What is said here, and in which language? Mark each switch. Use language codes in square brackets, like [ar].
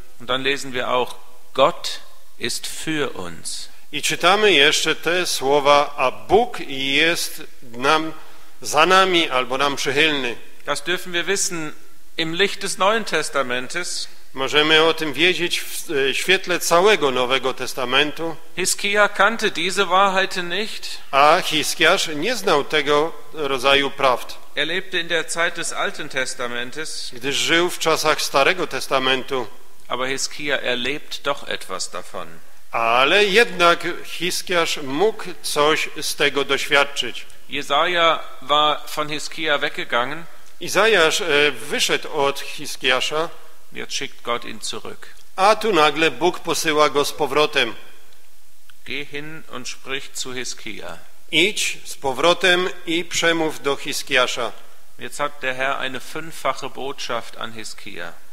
[de] Und dann lesen wir auch, Gott ist für uns. [pl] I czytamy jeszcze te słowa, a Bóg jest nam za nami albo nam przychylny. [de] Das dürfen wir wissen im Licht des Neuen Testamentes. [pl] Możemy o tym wiedzieć w świetle całego Nowego Testamentu. [de] Hiskia kannte diese Wahrheiten nicht. [pl] A Hiskiasz nie znał tego rodzaju prawd. [de] Er lebte in der Zeit des Alten Testamentes. [pl] Gdyż żył w czasach Starego Testamentu. [de] Aber Hiskia erlebt doch etwas davon. [pl] Ale jednak Hiskiasz mógł coś z tego doświadczyć. [de] Jesaja war von Hiskia weggegangen. [pl] Izajasz wyszedł od Hiskiasza. [de] Jetzt schickt Gott ihn zurück. [pl] A tu nagle Bóg posyła go z powrotem. [de] Geh hin und sprich zu Hiskia. [pl] Idź z powrotem i przemów do Hiskiasza. [de] Jetzt hat der Herr eine fünffache Botschaft an Hiskia.